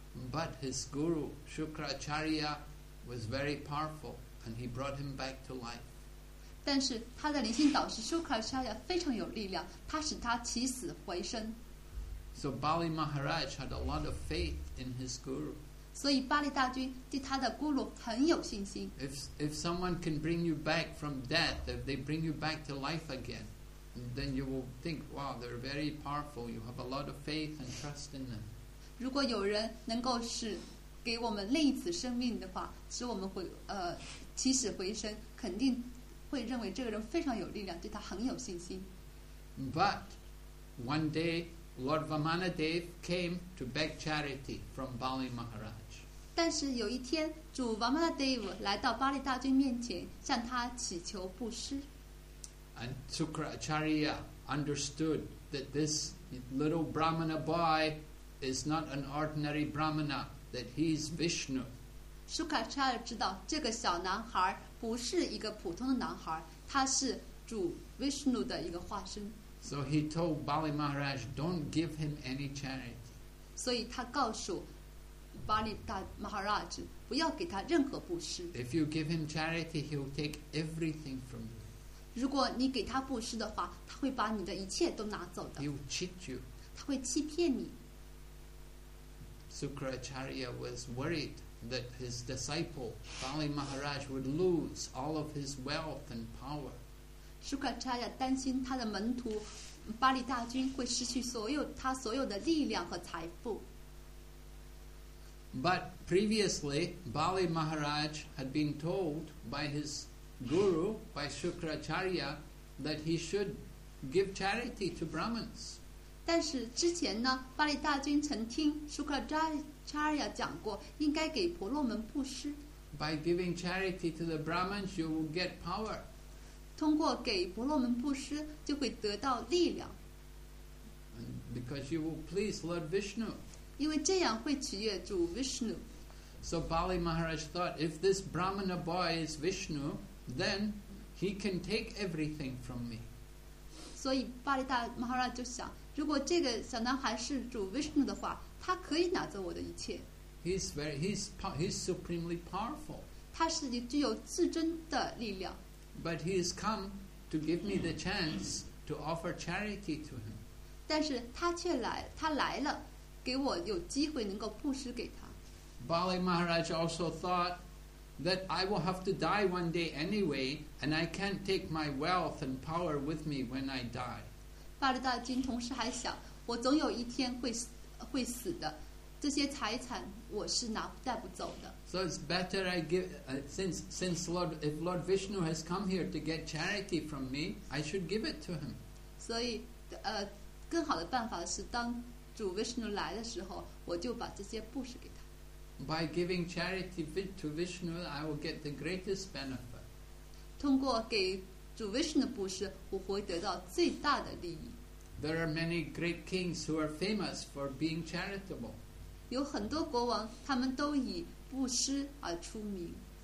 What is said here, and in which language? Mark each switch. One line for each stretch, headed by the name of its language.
English: But his guru Sukra Acharya was very powerful and he brought him back to life.
Chinese: 但是他的灵性导师 Sukra Acharya 非常有力量，他使他起死回生。
English: So Bali Maharaj had a lot of faith in his guru.
Chinese: 所以巴利大军对他的咕噜很有信心。
English: If someone can bring you back from death, if they bring you back to life again, then you will think, wow, they're very powerful. You have a lot of faith and trust in them.
Chinese: 如果有人能够使给我们另一次生命的话，使我们起死回生，肯定。会认为这个人非常有力量，对他很有信心。
English: But one day, Lord Vamanadeva came to beg charity from Bali Maharaj.
Chinese: 但是有一天，主 Vamanadeva 来到巴利大君面前，向他祈求布施。
English: And Sukra Acharya understood that this little Brahmana boy is not an ordinary Brahmana; that he is Vishnu.
Chinese: Sukra Acharya 知道这个小男孩。不是一个普通的男孩，他是主 Vishnu 的一个化身。
English: So he told Bali Maharaj, "Don't give him any charity."
Chinese: 所以他告诉 Bali Maharaj 不要给他任何布施。
English: If you give him charity, he'll take everything from you.
Chinese: 如果你给他布施的话，他会把你的一切都拿走的。
English: He'll cheat you.
Chinese: 他会欺骗你。
English: Sukra Acharya was worried. That his disciple Bali Maharaj would lose all of his wealth and power.
Chinese: Sukra Acharya 担心他的门徒巴利大军会失去所有他所有的力量和财富。
English: But previously, Bali Maharaj had been told by his guru, by Sukra Acharya, that he should give charity to Brahmins.
Chinese: 但是之前呢，巴利大军曾听 Sukra Acharya 讲过应该给婆罗门布施。
English: By giving charity to the Brahmins, you will get power.
Chinese: 通过给婆罗门布施就会得到力量。
English: Because you will please Lord Vishnu.
Chinese: 因为这样会取悦主 Vishnu.
English: So Bali Maharaj thought, if this Brahmana boy is Vishnu, then he can take everything from me.
Chinese: 所以巴利大马哈拉就想，如果这个小男孩是主 Vishnu 的话，他可以拿走我的一切。
English: He's supremely powerful.
Chinese: 他是具有至尊的力量。
English: But he has come to give me the chance to offer charity to him.
Chinese: 但是他却来，他来了，给我有机会能够布施给他。
English: Bali Maharaj also thought that I will have to die one day anyway, and I can't take my wealth and power with me when I die.
Chinese: 巴利大金同时还想，我总有一天会死的，这些财产我是拿带不走的。
English: So it's better I give since Lord if Lord Vishnu has come here to get charity from me, I should give it to him.
Chinese: 所以更好的办法是当主 Vishnu 来的时候，我就把这些布施给他。
English: By giving charity to Vishnu, I will get the greatest benefit.
Chinese: 通过给主 Vishnu 的布施，我会得到最大的利益。
English: There are many great kings who are famous for being charitable.
Chinese: 有很多国王，他们都以布施而出名。